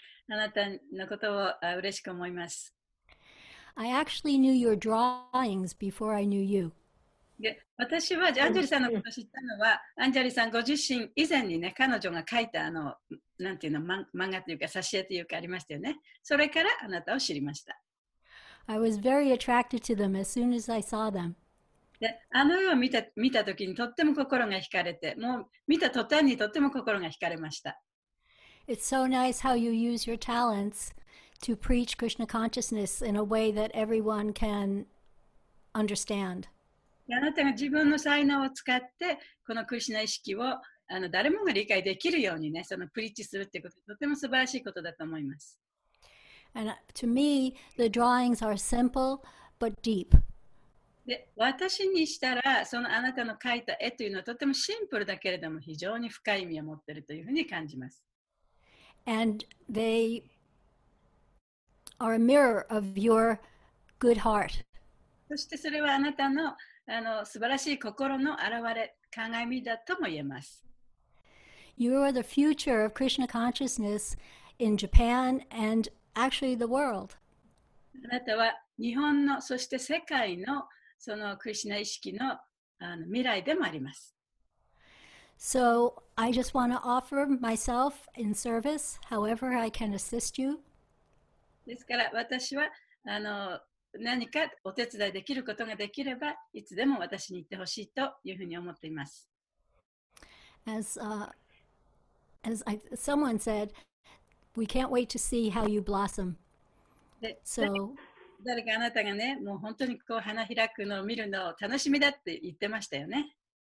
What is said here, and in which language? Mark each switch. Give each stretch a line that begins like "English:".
Japanese: あなたのことを嬉しく思います。
English: I actually knew your drawings before I knew you.
Japanese: で、私はアンジェリさんのことを知ったのは、アンジェリさんご自身以前にね、彼女が描いたなんていうの、漫画というか、挿絵というかありましたよね。それからあなたを知りました。
English: I was very attracted to them as soon as I saw them.
Japanese: で、あの絵を見たときにとっても心が惹かれて、もう見た途端にとっても心が惹かれました。
English: It's so nice how you use your talents to preach Krishna consciousness in a way that everyone can understand.
Japanese: あなたが自分の才能を使ってこのクリシナ意識を誰もが理解できるようにね、そのプリッチするっていうことはとても素晴らしいことだと思います。
English: And to me, the drawings are simple but deep.
Japanese: で、私にしたらそのあなたの描いた絵というのはとてもシンプルだけれども非常に深い意味を持っているというふうに感じます。
English: And they are a mirror of your good heart.
Japanese: そしてそれはあなたの素晴らしい心の現れ、鏡だとも言えます。
English: You are the future of Krishna consciousness in Japan and actually the world.
Japanese: あなたは日本の、そして世界のそのクリシナ意識の未来でもあります。
English: So I just want to offer myself in service, however I can assist you.
Japanese: ですから私は何かお手伝いできることができれば、いつでも私に言ってほしいというふうに思っています。
English: Someone said, we can't wait to see how you blossom.
Japanese: で、so, 誰かあなたがね、もう本当にこう花開くのを見るのを楽しみだって言ってましたよね。